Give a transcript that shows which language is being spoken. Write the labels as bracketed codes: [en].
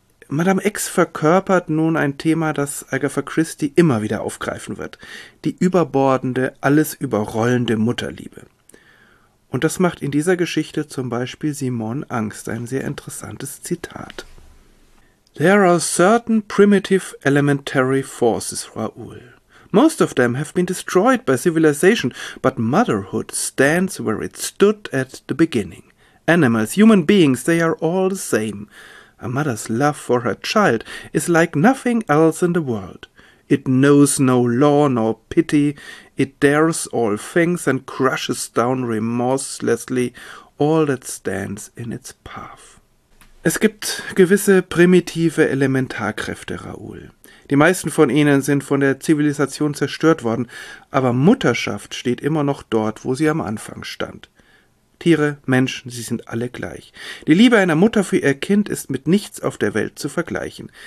[de] Madame X verkörpert nun ein Thema, das Agatha Christie immer wieder aufgreifen wird. Die überbordende, alles überrollende Mutterliebe. Und das macht in dieser Geschichte zum Beispiel Simon Angst. Ein sehr interessantes Zitat. [en] There are certain primitive elementary forces, Raoul. Most of them have been destroyed by civilization, but motherhood stands where it stood at the beginning. Animals, human beings, they are all the same. A mother's love for her child is like nothing else in the world. It knows no law nor pity. It dares all things and crushes down remorselessly all that stands in its path. [de] Es gibt gewisse primitive Elementarkräfte, Raoul. Die meisten von ihnen sind von der Zivilisation zerstört worden, aber Mutterschaft steht immer noch dort, wo sie am Anfang stand. Tiere, Menschen, sie sind alle gleich. Die Liebe einer Mutter für ihr Kind ist mit nichts auf der Welt zu vergleichen.